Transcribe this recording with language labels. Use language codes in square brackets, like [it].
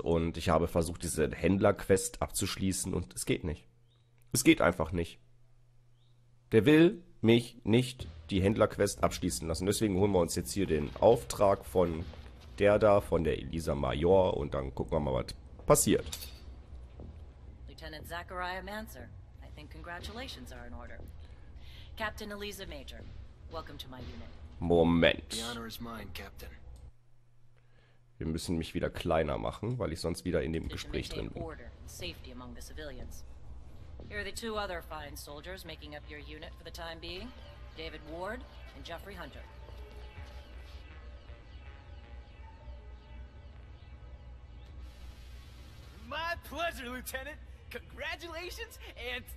[de] Und ich habe versucht, diese Händler-Quest abzuschließen und es geht nicht. Es geht einfach nicht. Der will mich nicht die Händler-Quest abschließen lassen. Deswegen holen wir uns jetzt hier den Auftrag von der da, von der Elisa Major. Und dann gucken wir mal, was passiert. [en] Lieutenant Zachariah Manser, I think congratulations are in order. Captain Elisa Major, welcome to my unit. Moment. The honor is mine, Captain. [de] Wir müssen mich wieder kleiner machen, weil ich sonst wieder in dem Gespräch drin bin. [en] Order and safety among the civilians. Here are the two other fine soldiers making up your unit for the time being. David Ward and Jeffrey Hunter. My pleasure, Lieutenant. Congratulations and...